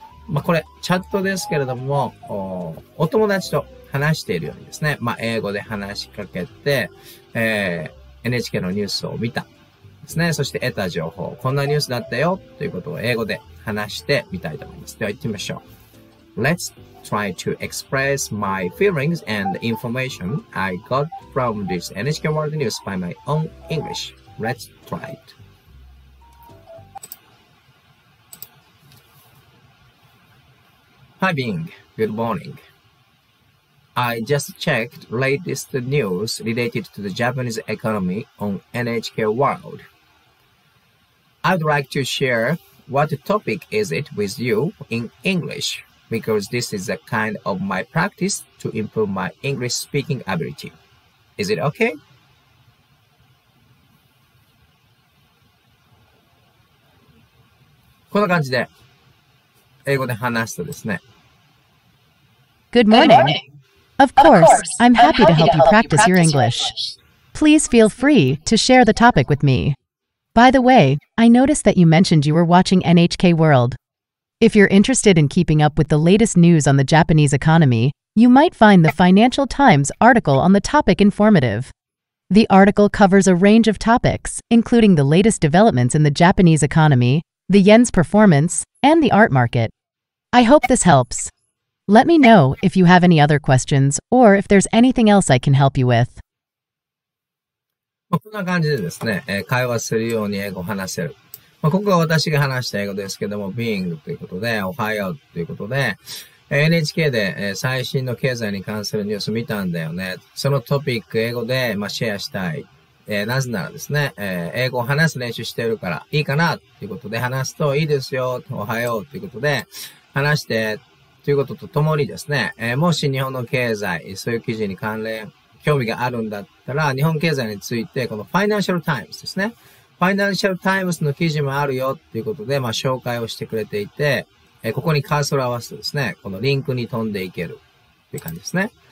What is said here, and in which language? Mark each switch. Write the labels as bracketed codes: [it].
[ja] まあ、これチャットですけれども、 お友達と話しているようにですね、まあ、英語で話しかけて、NHK のニュースを見たですね、そして得た情報、こんなニュースだったよということを英語で話してみたいと思います。では行ってみましょう。 [en] Let's try to express my feelings and information I got from this NHK World News by my own English. Let's try it. Hi Bing, good morning. I just checked latest news related to the Japanese economy on NHK World. I'd like to share what topic is it with you in English, because this is a kind of my practice to improve my English speaking ability. Is it okay? [ja] こんな感じで英語で話すとですね。 [en] Good morning. Of course, I'm happy to help you practice your English. Please feel free to share the topic with me. By the way, I noticed that you mentioned you were watching NHK World. If you're interested in keeping up with the latest news on the Japanese economy, you might find the Financial Times article on the topic informative. The article covers a range of topics, including the latest developments in the Japanese economy, the yen's performance, and the art market. I hope this helps. Let me know if you have any other questions or if there's anything else I can help you with. [ja] こんな感じでですね、会話するように英語を話せる。まあ、ここは私が話した英語ですけども、being ということで、おはようということで、NHK で最新の経済に関するニュース見たんだよね。そのトピック英語で、まあ、シェアしたい。なぜならですね、英語を話す練習してるからいいかなということで話すと、いいですよ、おはようということで話して、ということとともにですね、もし日本の経済、そういう記事に関連、興味があるんだったら、日本経済について、このファイナンシャルタイムズですね、ファイナンシャルタイムズの記事もあるよということで、まあ、紹介をしてくれていて、ここにカーソルを合わせてですね、このリンクに飛んでいけるという感じですね。